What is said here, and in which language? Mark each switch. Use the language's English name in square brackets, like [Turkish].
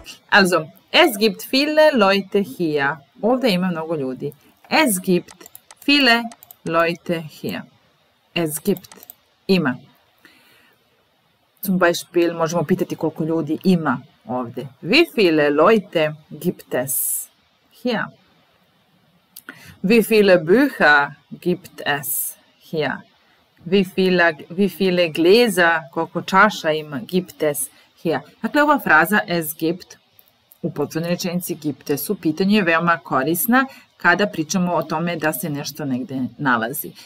[German] Also, es gibt viele Leute hier. [Serbian] Ovde ima mnogo ljudi. [German] Es gibt viele Leute hier. Es gibt. [Serbian] Ima. [German] Zum Beispiel [Serbian] možemo pitati koliko ljudi ima ovde. [German] Wie viele Leute gibt es hier? Wie viele Bücher gibt es hier? Wie viele Gläser, [Serbian] koliko čaša ima, [German] gibt es hier? [Serbian] Dakle, ova fraza [German] es gibt [Serbian] u potvrdnoj rečenici [German] gibt es [Serbian] u pitanju je veoma korisna kada pričamo o tome da se nešto negde nalazi.